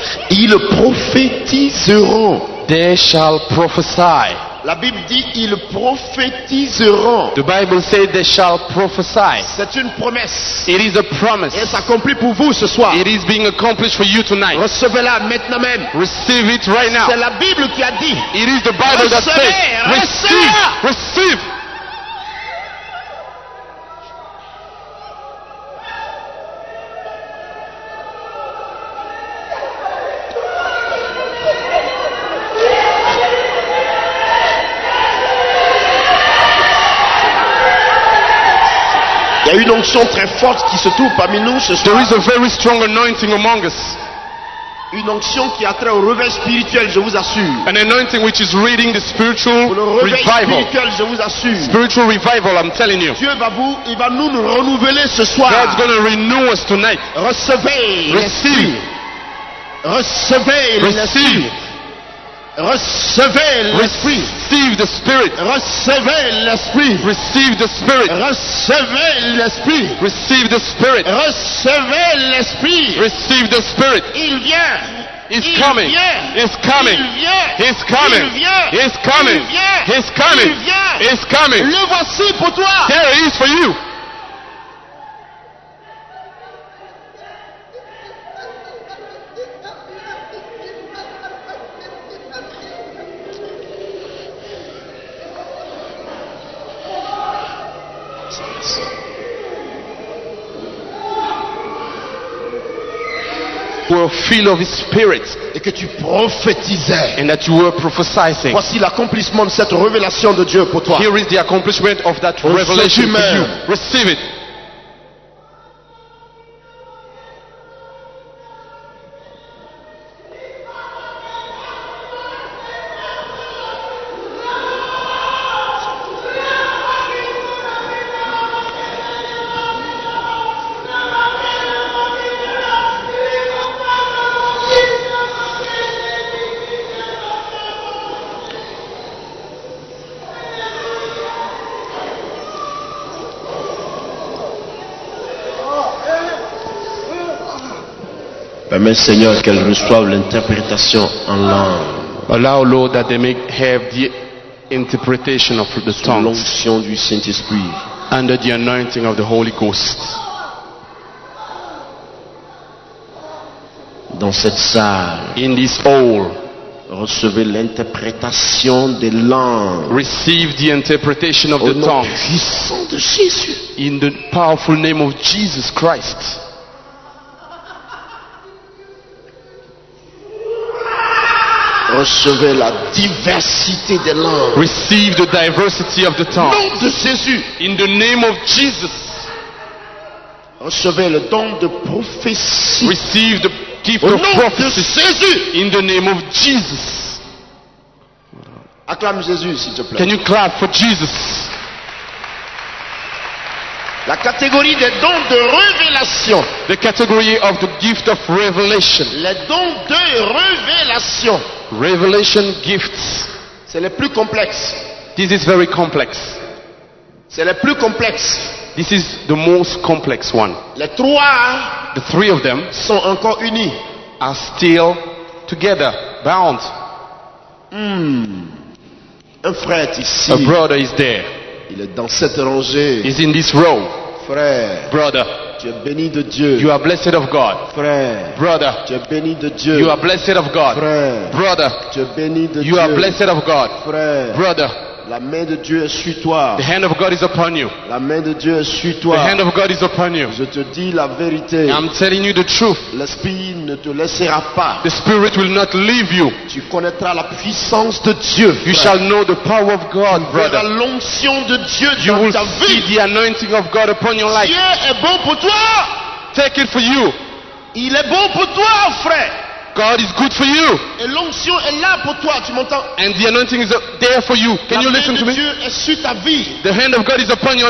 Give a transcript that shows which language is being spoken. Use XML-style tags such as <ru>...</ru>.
<fr>Ils prophétiseront.</fr> <en>They shall prophesy.</en> <fr>La Bible dit ils prophétiseront.</fr> <en>The Bible says they shall prophesy.</en> <fr>C'est une promesse.</fr> <en>It is a promise.</en> <fr>Et c'est accompli pour vous ce soir.</fr> <en>It is being accomplished for you tonight.</en> <fr>Recevez-la maintenant même.</fr> <en>Receive it right now.</en> <fr>C'est la Bible qui a dit.</fr> <en>It is the Bible</en> <fr>recevez,</fr> <en>that says. Receive. Receive.</en> <fr>Il y a une onction très forte qui se trouve parmi nous ce soir.</fr> <en>There is a very strong anointing among us.</en> <fr>Une onction qui a trait au réveil spirituel, je vous assure.</fr> <en>An anointing which is reading the spiritual revival.</en> <fr>Le réveil spirituel, je vous assure.</fr> <en>Spiritual revival, I'm telling you.</en> <fr>Dieu va vous, il va nous renouveler ce soir.</fr> <en>God's going to renew us tonight.</en> <fr>Recevez.</fr> <en>Receive.</en> <fr>Recevez.</fr> <en>Receive.</en> <fr>Recevez l'Esprit.</fr> <en>Receive the Spirit.</en> <fr>Recevez l'Esprit.</fr> <en>Receive the Spirit.</en> <fr>Recevez l'Esprit.</fr> <en>Receive the Spirit.</en> <fr>Recevez l'Esprit.</fr> <en>Receive the Spirit.</en> <fr>Il vient.</fr> <en>He's coming. He's coming. He's coming. He's coming. He's coming. He's coming.</en> <fr>Le voici pour toi.</fr> <en>There he is for you. Were filled of his spirit.</en> <fr>Et que tu prophétisais.</fr> <en>And that you were prophesying.</en> <fr>Voici l'accomplissement de cette révélation de Dieu pour toi.</fr> <en>Here is the accomplishment of that revelation for you. Receive it.</en> <fr>Mais Seigneur, qu'elles reçoivent l'interprétation en langue.</fr> <en>Allow Lord that they may have the interpretation of the tongues.</en> <fr>L'onction du Saint-Esprit.</fr> <en>Under the anointing of the Holy Ghost.</en> <fr>Dans cette salle.</fr> <en>In this hall.</en> <fr>Recevez l'interprétation des langues.</fr> <en>Receive the interpretation of the tongues.</en> <fr>Au nom puissant de Jésus.</fr> <en>In the powerful name of Jesus Christ.</en> <fr>Recevez la diversité des langues.</fr> <en>Receive the diversity of the tongues.</en> <fr>Nom de Jésus.</fr> <en>In the name of Jesus.</en> <fr>Recevez le don de prophétie.</fr> <en>Receive the gift of prophecy.</en> <fr>Nom de Jésus.</fr> <en>In the name of Jesus.</en> <fr>Acclame Jésus, s'il te plaît.</fr> <en>Can you clap for Jesus?</en> <fr>La catégorie des dons de révélation.</fr> <en>The category of the gift of revelation.</en> <fr>Les dons de révélation.</fr> <en>Revelation gifts.</en> <fr>C'est le plus complexe.</fr> <en>This is very complex.</en> <fr>C'est le plus complexe.</fr> <en>This is the most complex one.</en> <fr>Les trois,</fr> <en>the three of them,</en> <fr>sont encore unis.</fr> <en>Are still together, bound.</en> <fr>Un frère est ici.</fr> <en>A brother is there.</en> <fr>Il est dans cette rangée.</fr> <en>He's in this row.</en> <fr>Frère.</fr> <en>Brother.</en> <fr>Tu es béni de Dieu.</fr> <en>You are blessed of God.</en> <fr>Frère.</fr> <en>Brother.</en> <fr>Tu es béni de Dieu.</fr> <en>You are blessed of God.</en> <fr>Frère.</fr> <en>Brother.</en> <fr>Tu es béni de</fr> <en>you</en> <fr>Dieu.</fr> <en>Are blessed of God.</en> <fr>Frère.</fr> <en>Brother.</en> <fr>La main de Dieu est sur toi.</fr> <en>The hand of God is upon you.</en> <fr>La main de Dieu est sur toi.</fr> <en>The hand of God is upon you.</en> <fr>Je te dis la vérité.</fr> <en>I'm telling you the truth.</en> <fr>L'Esprit ne te laissera pas.</fr> <en>The Spirit will not leave you.</en> <fr>Tu connaîtras la puissance de Dieu.</fr> <en>You</en> <fr>frère.</fr> <en>Shall know the power of God,</en> <fr>tu</fr> <en>brother.</en> <fr>Verras l'onction de Dieu</fr> <en>you</en> <fr>dans</fr> <en>will</en> <fr>ta</fr> <en>see</en> <fr>vie.</fr> <en>The anointing of God upon your life.</en> <fr>Dieu est bon pour toi.</fr> <en>Take it for you.</en> <fr>Il est bon pour toi, frère.</fr> <en>God is good for you.</en> <fr>Et l'onction est là pour toi, tu m'entends?</fr> <en>And the anointing is there for you. Can</en> <fr>la</fr> <en>you listen</en> <fr>de</fr> <en>to me?</en> <fr>Dieu est sur ta vie.</fr> <en>The hand of God is upon your</en>